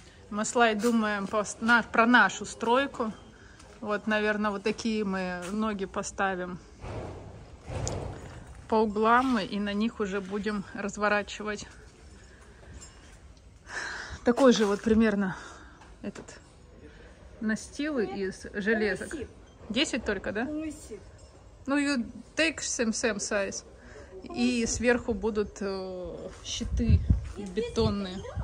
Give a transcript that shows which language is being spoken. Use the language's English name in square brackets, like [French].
[Russian] Мы с Лай думаем про нашу стройку. Вот, наверное, вот такие мы ноги поставим по углам мы, и на них уже будем разворачивать такой же вот примерно этот настил из железок. 10 только, да? [English] Ну, you take same size. [Russian] И сверху будут щиты бетонные.